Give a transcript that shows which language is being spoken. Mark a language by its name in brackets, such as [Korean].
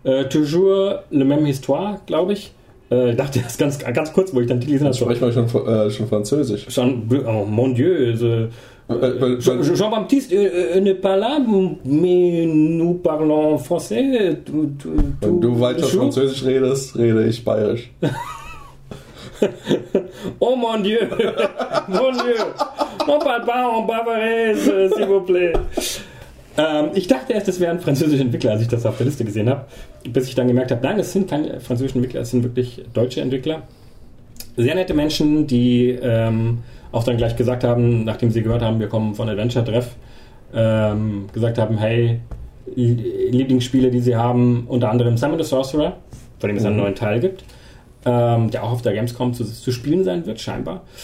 [French] Toujours le même histoire, [German] glaube ich. Ich dachte, das ist ganz, ganz kurz, wo ich dann die gelesen habe. Sprechen wir schon Französisch. [French] Mon Dieu. Jean-Baptiste ne parle pas, mais nous parlons français. [German] Wenn du weiter Französisch redest, rede ich Bayerisch. [French] Oh mon Dieu. Mon Dieu. Mon papa en bavarese, s'il vous plaît. [German] Ich dachte erst, das wären französische Entwickler, als ich das auf der Liste gesehen habe, bis ich dann gemerkt habe, nein, es sind keine französischen Entwickler, es sind wirklich deutsche Entwickler. Sehr nette Menschen, die auch dann gleich gesagt haben, nachdem sie gehört haben, wir kommen von Adventure Treff, gesagt haben, hey, Lieblingsspiele, die sie haben, unter anderem Sam and the Sorcerer, von dem es einen neuen Teil gibt, der auch auf der Gamescom zu spielen sein wird, scheinbar.